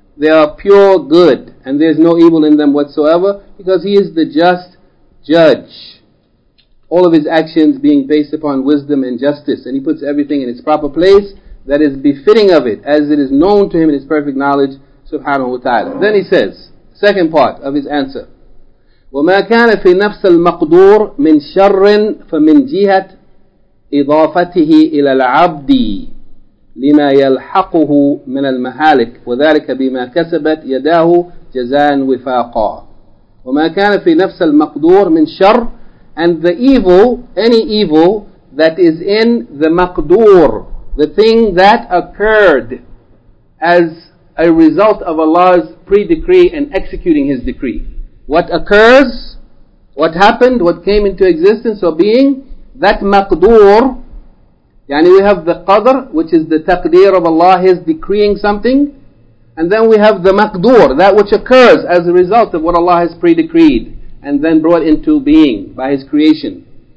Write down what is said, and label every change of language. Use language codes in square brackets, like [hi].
[en] they are pure good, and there is no evil in them whatsoever, because he is the just judge. All of his actions being based upon wisdom and justice, and he puts everything in its proper place, that is befitting of it, as it is known to him in his perfect knowledge, subhanahu wa ta'ala. Then he says, second part of his answer, [ar] وَمَا كَانَ فِي نَفْسَ الْمَقْدُورِ مِنْ شَرٍ فَمِنْ جِهَةِ إِضَافَتِهِ إِلَى الْعَبْدِ لِمَا يَلْحَقُهُ مِنَ الْمَهَالِكِ وَذَلِكَ بِمَا كَسَبَتْ يَدَاهُ جَزَاءً وِفَاقًا وَمَا كَانَ فِي نَفْسَ الْمَقْدُورِ مِنْ شَرٍ. [en] And the evil, any evil that is in the maqdur, the thing that occurred as a result of Allah's pre-decree and executing His decree. What occurs, what happened, what came into existence or being, that maqdur, yani we have the qadr, which is the taqdeer of Allah, His decreeing something, and then we have the maqdur, that which occurs as a result of what Allah has pre-decreed and then brought into being by His creation.